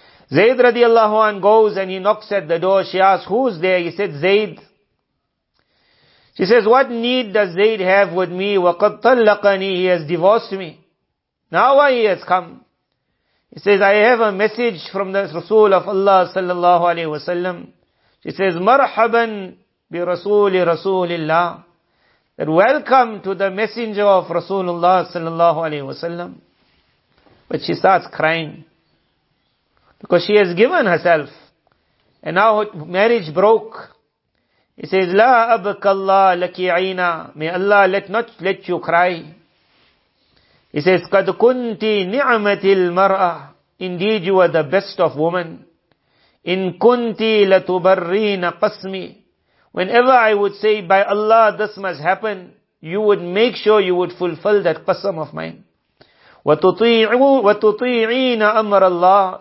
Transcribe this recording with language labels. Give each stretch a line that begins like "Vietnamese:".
English: Zayd radiallahu anh goes and he knocks at the door. She asks, who's there? He said, Zayd. She says, what need does Zayd have with me?
Arabic: وَقَدْ طَلَّقَنِي.
English: He has divorced me. Now why he has come? He says, I have a message from the Rasul of Allah sallallahu alayhi wa sallam. She says,
Arabic: مَرْحَبًا بِرَسُولِ رَسُولِ اللَّهِ.
English: That welcome to the messenger of Rasulullah sallallahu alayhi wa sallam. But she starts crying. Because she has given herself. And now her marriage broke. He says,
Arabic: لا أبك الله لك عينا.
English: May Allah not let you cry. He says,
Arabic: قد كنت نعمة المرأة.
English: Indeed you are the best of women.
Arabic: إن كنت لتبرين قسمي.
English: Whenever I would say, by Allah this must happen, you would make sure you would fulfill that qasam of mine.
Arabic: وتطيعين أمر الله.